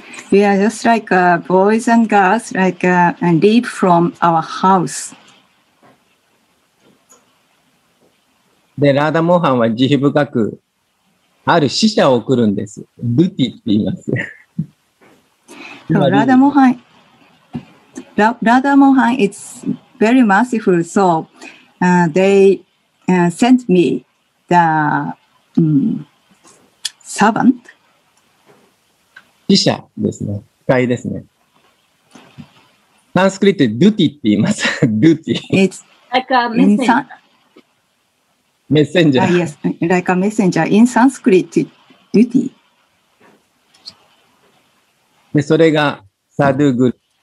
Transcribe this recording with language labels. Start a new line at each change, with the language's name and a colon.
English: We are just like a boys and girls, like a leap from our house.
Japanese: でラーダモハンは慈悲深くある使者を送るんです。ドゥティって言います。
English: Radha Mohan is very merciful, so they sent me the servant.
Japanese: 使者ですね。使いですね。サンスクリットでドゥティって言います。ドゥティ。
English: It's like a messenger. Messenger. Yes, like a messenger. In Sanskrit, ドゥティ。
Japanese: でそれがサドゥグル。